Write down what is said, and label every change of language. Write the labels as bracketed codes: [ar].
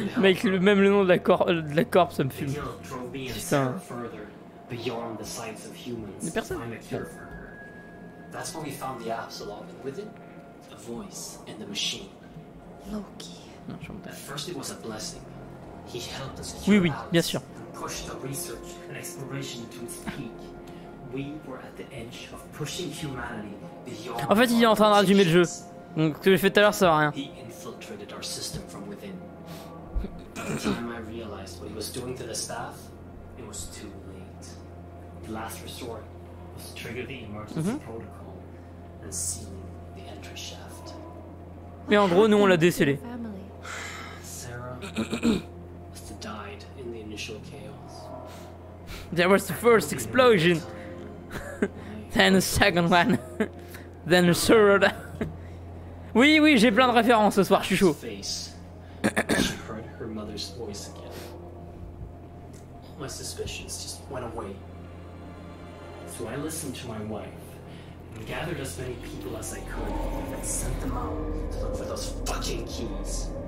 [fr] Mec, même le nom de la corps, ça me fume. Putain. [en] beyond the science of humans to find a cure for her. That's why we found the Absalom, and with it, a voice and the machine. Loki. [fr] Non, je comprends pas. [en] First, it was a blessing. He helped us cure [fr] oui, oui, bien sûr. [en] And push the research and exploration to its peak. We were at the edge of pushing humanity beyond. [fr] En fait, il est en train de résumer le jeu. Donc, ce que j'ai fait tout à l'heure, ça va rien. [en] He infiltrated our system from within. By the time I realized what he was doing to the staff, it was too late. The last resort was to trigger the emergency protocol and seal the entry shaft. [fr] Mais en gros, nous, on l'a décelé. [en] Sarah must have died in the initial chaos. There was the first explosion. Then the second one. Then the third. [fr] Oui, oui, j'ai plein de références ce soir, je suis chaud. [en] Face. She heard her mother's voice again. My suspicions just went away. So I listened to my wife and gathered as many people as I could and sent them out to look for those fucking keys.